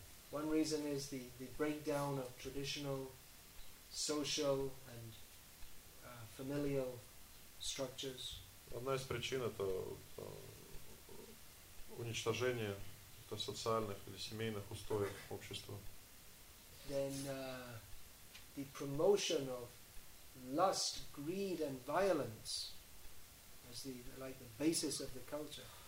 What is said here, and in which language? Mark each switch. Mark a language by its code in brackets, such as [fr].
[en] One reason is the breakdown of traditional social and familial structures. [ru] Одна из причин – это уничтожение социальных или семейных устоев общества. [en] Then the promotion of lust, greed, and violence as the basis of the culture.